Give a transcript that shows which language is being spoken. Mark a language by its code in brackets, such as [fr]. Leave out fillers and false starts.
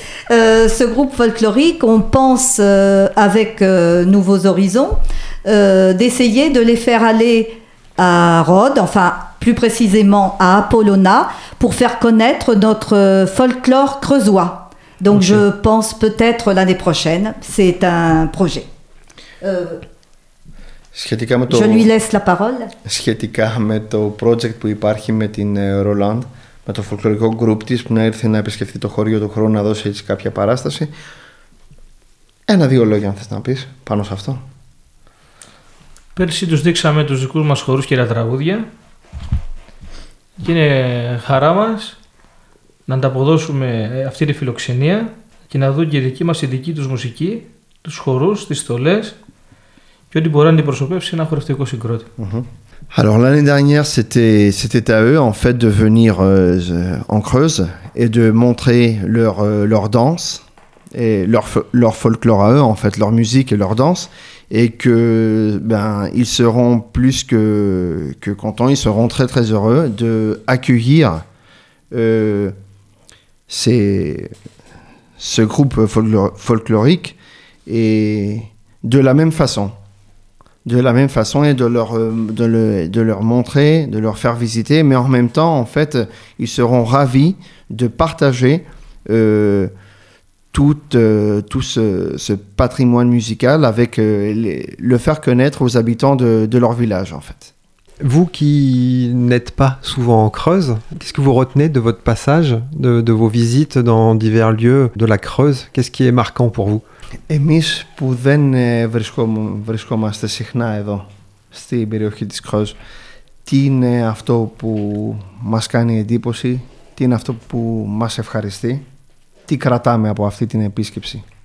[fr] ce groupe folklorique, on pense avec Nouveaux Horizons d'essayer de les faire aller à Rhodes, enfin plus précisément à Apollona, pour faire connaître notre folklore creusois. Donc okay. Je pense peut-être l'année prochaine, c'est un projet. Je lui laisse la parole. [el] Σχετικά με το project που υπάρχει με την Roland, με το folklorικό group της που να έρθει να επισκεφθεί το χωριό του χρόνου, να δώσει έτσι κάποια παράσταση. Ένα-δύο λόγια, αν θες να πεις πάνω σε αυτό. Πέρσι τους δείξαμε τους δικούς μας χορούς και τα τραγούδια και είναι χαρά μας να ανταποδώσουμε αυτή τη φιλοξενία και να δουν και η δική μας η δική τους μουσική, τους χορούς, τις στολές και ό,τι μπορεί να αντιπροσωπεύσει ένα χορευτικό συγκρότημα. [fr] Alors l'année dernière c'était à eux en fait de venir en Creuse et de montrer leur danse et leur folklore à eux en fait, leur musique et leur danse. Et que ben ils seront plus que contents, ils seront très très heureux de accueillir ce groupe folklorique et de la même façon, et de leur montrer, de leur faire visiter, mais en même temps en fait ils seront ravis de partager tout ce patrimoine musical avec le faire connaître aux habitants de leur village, en fait. Vous qui n'êtes pas souvent en Creuse, qu'est-ce que vous retenez de votre passage, de vos visites dans divers lieux de la Creuse? Qu'est-ce qui est marquant pour vous? [el] Εμείς που δεν βρισκόμαστε συχνά εδώ, στην περιοχή της Creuse, τι είναι αυτό που μας κάνει εντύπωση, τι είναι αυτό που μας ευχαριστεί? Τι κρατάμε από αυτή την επίσκεψη?